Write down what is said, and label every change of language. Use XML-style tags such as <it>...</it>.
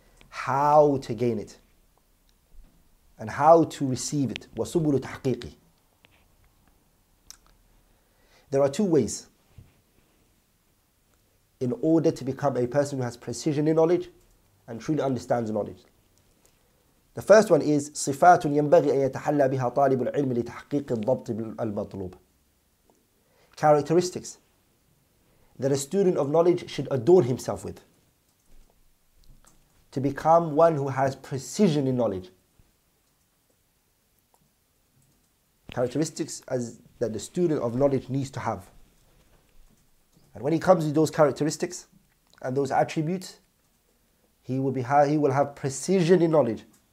<en>How to gain it and how to receive it.</en> <ar>وَسُبُلُ تَحْقِيقِ.</ar> <en>There are two ways. in order to become a person who has precision in knowledge and truly understands knowledge. The first one is</en> <ar>صفات ينبغي أن يتحلى بها طالب العلم لتحقيق الضبط المطلوب.</ar> <en>Characteristics that a student of knowledge should adorn himself with to become one who has precision in knowledge. Characteristics as that the student of knowledge needs to have. And when he comes with those characteristics and those attributes, he will have precision in knowledge.</en>